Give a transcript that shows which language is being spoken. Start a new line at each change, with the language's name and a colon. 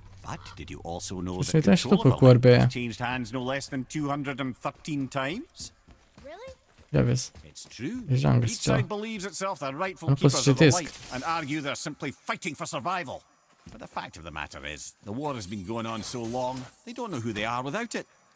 English: But did you also know that the control of the light has changed hands no less than 213 times? Really?
Romanian: Ia vezi. Deja am găsit ceva. Nu pot să citesc.
English: And argue they're simply fighting for survival. But the fact of the matter is, the war has been going on so long, they don't know who they are without it.